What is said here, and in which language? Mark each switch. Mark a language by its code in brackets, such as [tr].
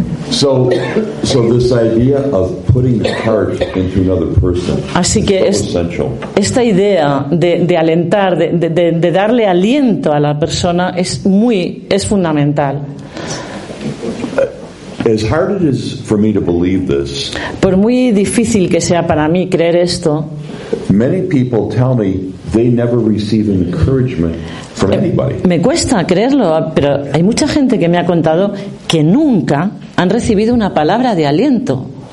[en] So this idea of putting heart into another person. [es] Así que [en] is so essential. [es] Esta idea de alentar, de darle aliento a la persona es fundamental. [en] As hard as it is for me to believe this. [es] Por muy difícil que sea para mí creer esto. [en] Many people tell me they never receive encouragement. [es] Me cuesta creerlo, pero hay mucha gente que me ha contado que nunca han recibido una palabra de aliento.